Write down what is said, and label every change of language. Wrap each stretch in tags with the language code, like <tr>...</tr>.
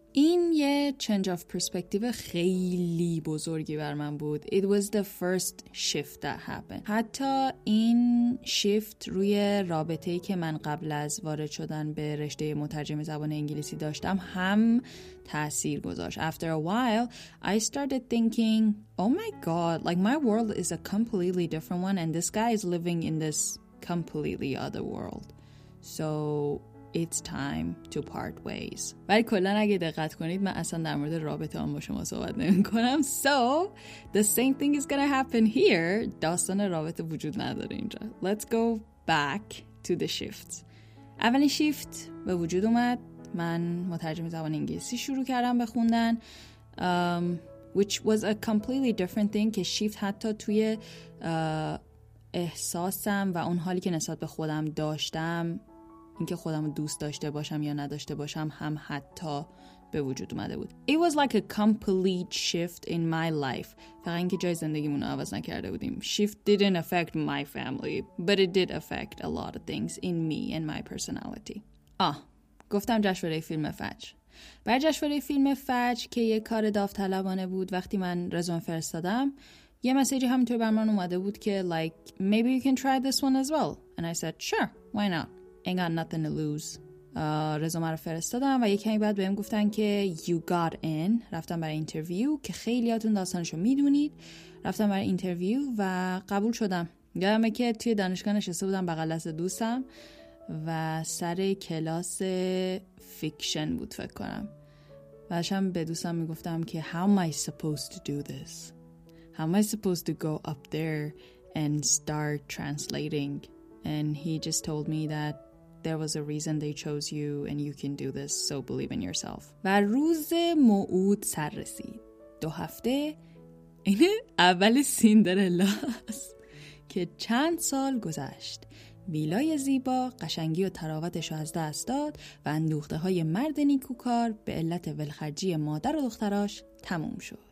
<fa>این یه</fa> <en>change of perspective</en> <fa>خیلی بزرگی بر من بود.</fa> <en>It was the first shift that happened.</en> <fa>حتی این shift روی رابطه‌ای که من قبل از وارد شدن به رشته مترجم زبان انگلیسی داشتم هم تأثیر گذاشت.</fa> <en>After a while, I started thinking, oh my god, like my world is a completely different one and this guy is living in this completely other world. So it's time to part ways.</en> <fa>ولی کلن اگه دقت کنید من اصلا در مورد رابطه هم با شما صحبت نمی کنم.</fa> <en>So, the same thing is gonna happen here.</en> <fa>داستان رابطه وجود نداره اینجا.</fa> <en>Let's go back to the shifts.</en> <fa>اولین شیفت به وجود اومد. من مترجم زبان انگلیسی شروع کردم بخوندن.</fa> <en>Which was a completely different thing</en> <fa>که شیفت حتی توی احساسم و اون حالی که نسبت به خودم داشتم، اینکه خودم دوست داشته باشم یا نداشته باشم، هم حتی به وجود اومده بود.</fa> <en>It was like a complete shift in my life.</en> <fa>فقط اینکه جای زندگیمونو عوض نکرده بودیم.</fa> <en>Shift didn't affect my family, but it did affect a lot of things in me and my personality.</en> <fa>آه، گفتم جشنواره فیلم فجر. بعد جشنواره فیلم فجر که یه کار داوطلبانه بود، وقتی من رزومه فرستادم، یه مسیجی همینطور بر من اومده بود که</fa> <en>like, maybe you can try this one as well. And I said, sure, why not? I got nothing to lose.</en> <fa>رزومه رو فرستادم و یکی بعد بهم گفتن که</fa> <en>you got in.</en> <fa>رفتم برای اینترویو که خیلیاتون داستانشو میدونید. رفتم برای اینترویو و قبول شدم. یادمه که توی دانشگاه نشسته بودم بغل دست دوستم و سر کلاس فیکشن بود فکر کنم. و داشتم به دوستم میگفتم که</fa> <en>how am I supposed to do this?</en> <fa>How am I supposed to go up there and start translating? And he just told me that there was a reason they chose you and you can do this, so believe in yourself. و روز موعود سر رسید. دو هفته این اول سیندرلا است که چند سال گذشت. ویلای زیبا قشنگی و طراوتش از دست داد و اندوخته های مرد نیکوکار به علت ولخرجی مادر و دختراش تموم شد.</fa>